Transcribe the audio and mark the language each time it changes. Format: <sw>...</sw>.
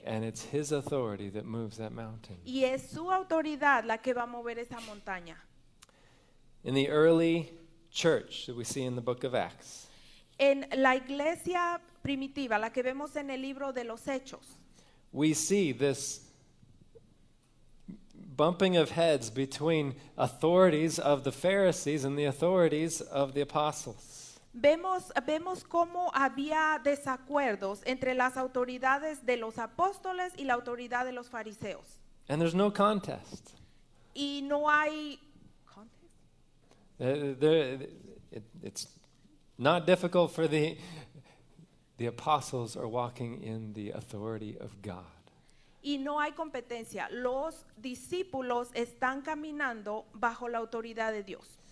<en>And it's his authority that moves that mountain.</en> <es>Y es su autoridad la que va a mover esa montaña.</es> <en>In the early church that we see in the book of Acts,</en> <es>en la iglesia primitiva, la que vemos en el libro de los Hechos,</es> <en>we see this bumping of heads between authorities of the Pharisees and the authorities of the apostles.</en> <es>Vemos cómo había desacuerdos entre las autoridades de los apóstoles y la autoridad de los fariseos.</es> <en>And there's no contest.</en> <es>Y no hay</es> <en>It's not difficult for the apostles are walking in the authority of God.</en> <es>Y no hay competencia. Los discípulos están caminando bajo la autoridad de Dios.</es>